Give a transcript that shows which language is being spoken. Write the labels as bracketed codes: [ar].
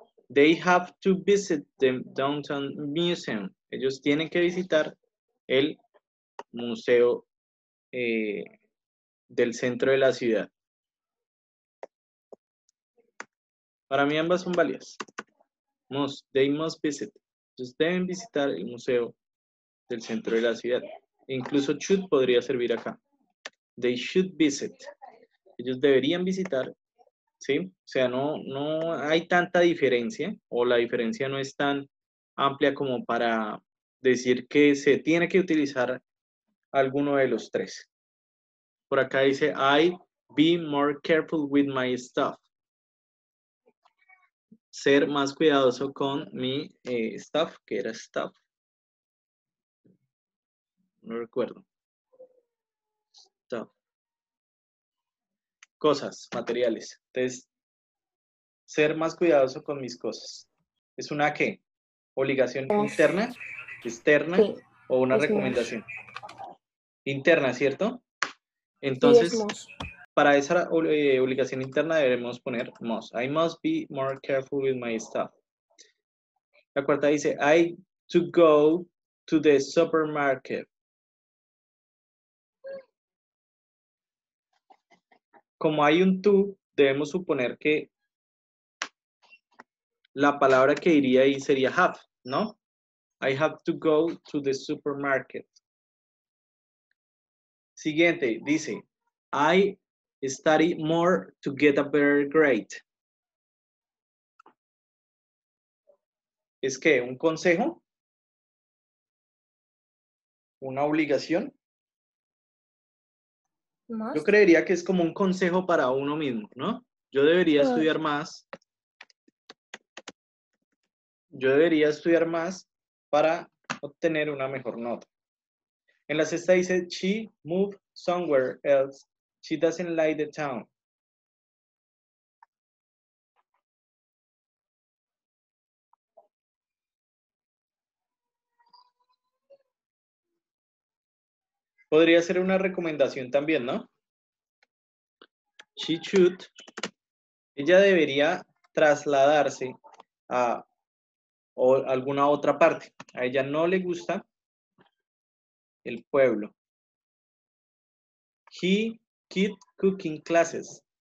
[en] They have to visit the downtown museum. [es] Ellos tienen que visitar el museo del centro de la ciudad. Para mí ambas son válidas. Must, they must visit. Entonces deben visitar el museo del centro de la ciudad. Incluso should podría servir acá. They should visit. Ellos deberían visitar. ¿Sí? O sea, no hay tanta diferencia. O la diferencia no es tan amplia como para decir que se tiene que utilizar alguno de los tres. Por acá dice, I be more careful with my stuff. Ser más cuidadoso con mi staff, que era staff. No recuerdo. Staff. cosas, materiales. Entonces, ser más cuidadoso con mis cosas. ¿Es una qué? ¿Obligación interna, externa o una recomendación? Interna, ¿cierto? Entonces, para esa obligación interna debemos poner must. [en] I must be more careful with my stuff. [es] La cuarta dice, I to go to the supermarket. Como hay un to, debemos suponer que la palabra que iría ahí sería have, ¿no? [en] I have to go to the supermarket. [es] Siguiente, dice, [en] I study more to get a better grade. [es] ¿Es qué? ¿Un consejo? ¿Una obligación? ¿Más? Yo creería que es como un consejo para uno mismo, ¿no? Yo debería estudiar más. Yo debería estudiar más para obtener una mejor nota. En la sexta dice, [en] she moved somewhere else. She doesn't like the town. [es] Podría ser una recomendación también, ¿no? [en] She should. [es] Ella debería trasladarse a alguna otra parte. A ella no le gusta el pueblo. [en] He quit cooking classes.